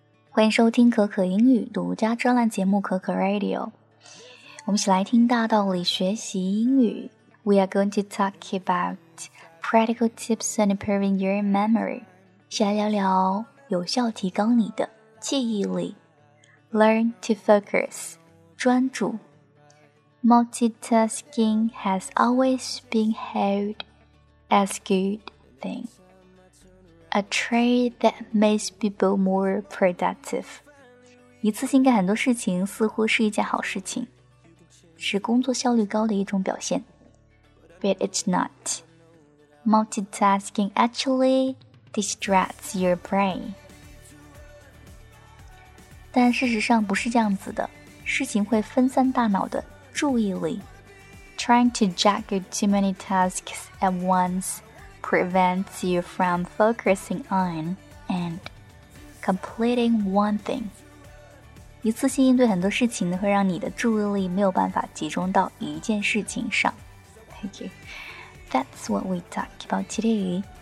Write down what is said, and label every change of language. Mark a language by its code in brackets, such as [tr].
[zh] 欢迎收听可可英语独家专栏节目可可 Radio。我们一起来听大道理学习英语。 [en] We are going to talk about practical tips and improving your memory. [zh] 先来聊聊有效提高你的记忆力。 [en] Learn to focus, 专注。 Multitasking has always been held as good thing. A trait that makes people more productive. [zh] 一次性干很多事情似乎是一件好事情，是工作效率高的一种表现。 [en] But it's not. Multitasking actually distracts your brain. [zh] 但事实上不是这样子的，事情会分散大脑的注意力。 [en] Trying to juggle too many tasks at once. Prevents you from focusing on and completing one thing. [zh] 一次性应对很多事情呢，会让你的注意力没有办法集中到一件事情上。 [en] Thank you. That's what we talk about today.